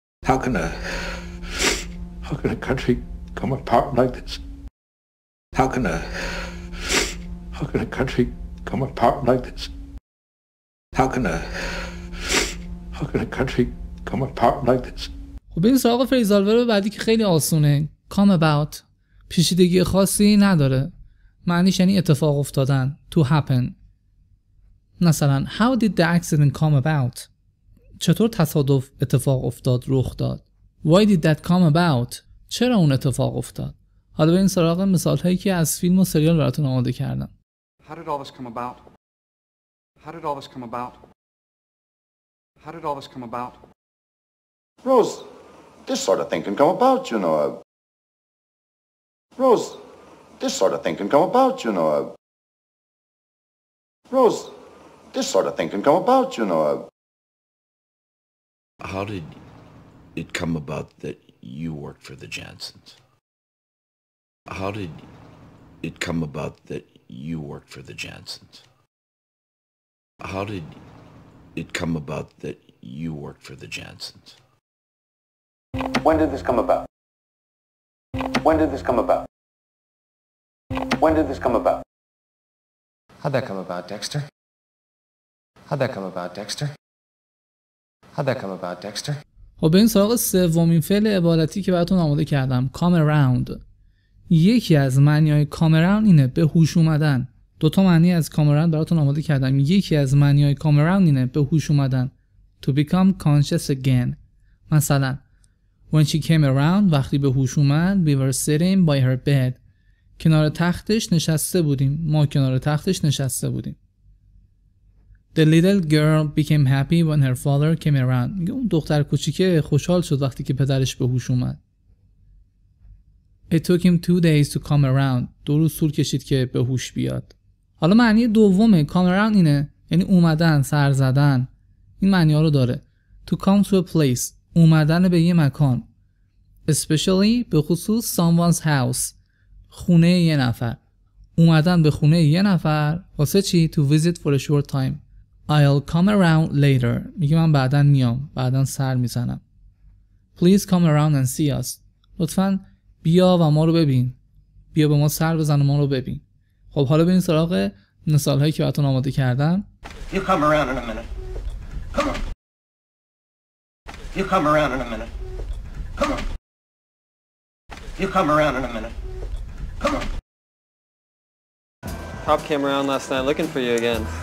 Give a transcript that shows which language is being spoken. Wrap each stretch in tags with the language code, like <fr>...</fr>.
<en>How can a country come apart like this? How can a country come apart like this? How can a country come apart like this?</en> <fa>خب این سراغ فریزالور بعدی که خیلی آسونه.</fa> <en>Come about.</en> <fa>پیشیدگی خاصی نداره. معنیش یعنی اتفاق افتادن.</fa> <en>To happen.</en> <fa>مثلا</fa> <en>How did the accident come about?</en> <fa>چطور تصادف اتفاق افتاد رخ داد؟</fa> <en>Why did that come about?</en> <fa>چرا اون اتفاق افتاد؟ حالا به این سراغ مثال هایی که از فیلم و سریال براتون آماده کردم.</fa> <en>How did all this come about? How did all this come about? How did all this come about? Rose, this sort of thing can come about, you know. Rose, this sort of thing can come about, you know. Rose, this sort of thing can come about, you know. How did it come about that you worked for the Jansons? How did it come about that you worked for the Jansons? How did it come about that you worked for the Jansons? When did this come about? When did this come about? When did this come about? How'd that come about, Dexter? How'd that come about, Dexter? How'd that come about, Dexter?</en> <fa>خب به این سراغ سومین فعل عبارتی که براتون آماده کردم.</fa> <en>Come around.</en> <fa>یکی از معنی های come around اینه به هوش اومدن. دوتا معنی از come around براتون آماده کردم. یکی از معنی های come around اینه به هوش اومدن.</fa> <en>To become conscious again.</en> <fa>مثلا</fa> <en>When she came around,</en> <fa>وقتی به هوش اومد,</fa> <en>we were sitting by her bed.</en> <fa>کنار تختش نشسته بودیم. ما کنار تختش نشسته بودیم.</fa> <en>The little girl became happy when her father came around.</en> <fa>میگه اون دختر کوچیکه خوشحال شد وقتی که پدرش به هوش اومد.</fa> <en>It took him 2 days to come around.</en> <fa>2 روز طول کشید که به هوش بیاد. حالا معنی دومه.</fa> <en>Come around اینه.</en> <fa>یعنی اومدن، سر زدن. این معنی ها رو داره.</fa> <en>To come to a place.</en> <fa>اومدن به یه مکان.</fa> <en>Especially</en> <fa>به خصوص</fa> <en>someone's house.</en> <fa>خونه یه نفر. اومدن به خونه یه نفر واسه چی؟</fa> <en>To visit for a short time. I'll come around later.</en> <fa>میگه من بعدن میام. بعدن سر میزنم.</fa> <en>Please come around and see us.</en> <fa>لطفاً بیا و ما رو ببین. بیا به ما سر بزن و ما رو ببین. خب حالا بریم سراغ مثال هایی که براتون آماده کردم.</fa> <en>You come around in a minute. Come on. You come around in a minute. Come on. You come around in a minute. Come on. Cop came around last night looking for you again.</en>